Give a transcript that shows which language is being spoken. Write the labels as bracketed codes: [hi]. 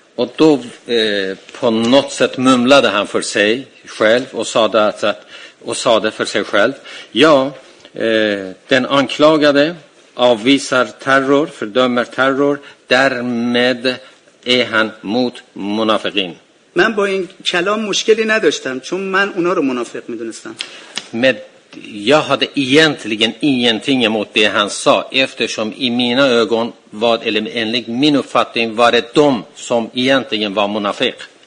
[sv] و دو på något sätt mumlade han för sig själv och sa det för sig själv. Ja, den anklagade avvisar terror, fördömer terror, därmed är han mot munafiqin. [fa] من با این کلام مشکلی نداشتم چون من اونا رو منافق میدونستم. [sv] Jag hade egentligen ingenting emot det han sa eftersom i mina ögon var, eller enligt min uppfattning var det de som egentligen var munafiq.